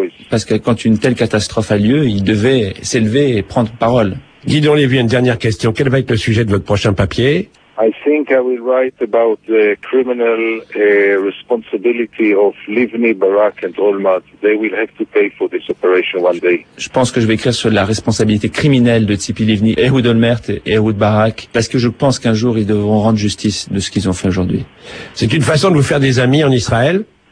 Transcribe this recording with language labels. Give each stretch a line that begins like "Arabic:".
French: Parce que quand une telle catastrophe a lieu, il devait s'élever et prendre parole. Guy Dorlévy, une dernière question. Quel va être le sujet de votre prochain papier?
English: I think I will write about the criminal responsibility of Livni, Barak and Olmert. They will have to pay for this operation one day.
French: Je pense que je vais écrire sur la responsabilité criminelle de Tzipi Livni, Ehud Olmert et Ehud Barak, parce que je pense qu'un jour ils devront rendre justice de ce qu'ils ont fait aujourd'hui. C'est une façon de vous faire des amis en Israël?